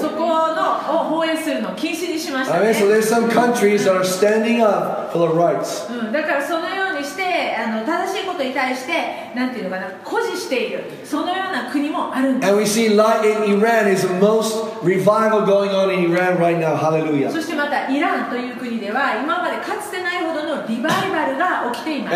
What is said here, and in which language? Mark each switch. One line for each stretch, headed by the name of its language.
Japanese: そこのを放映するのを禁止にしましたね。
English: Amen. So there's some countries that are standing up for the rights.
Japanese: だからそのようにして正しいことに対してなんていうのかな、誇示しているそのような国もあるんです。
English: And we see light in Iran is the most revival going on in Iran right now. Hallelujah.
Japanese: そしてまたイランという国では今までかつてないほどのリバイバルが起きています。